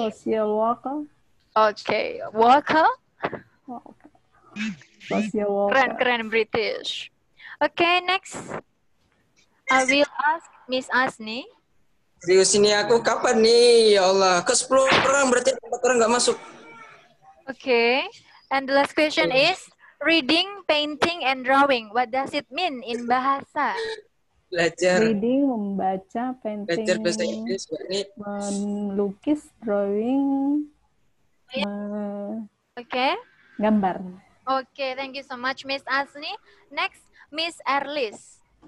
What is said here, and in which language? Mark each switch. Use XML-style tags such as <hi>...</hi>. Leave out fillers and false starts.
<en>Social worker. Oke, worker. Social worker.</en> <id>Keren, keren</id> <en>British. Oke, next. I will ask Miss Asni.</en> <id>Serius ini aku kapan nih? Ya Allah, ke 10 orang berarti 4 orang nggak masuk.</id> <en>Oke, okay. And the last question is reading, painting, and drawing. What does it mean in bahasa?</en> <id>Belajar.</id> <en>Reading, membaca, painting.</en> <id>Belajar bahasa Inggris, ini. Melukis, drawing.</id> <en>Oke. Okay. Gambar. Oke, okay, thank you so much, Miss Asni. Next, Miss Erlis.</en>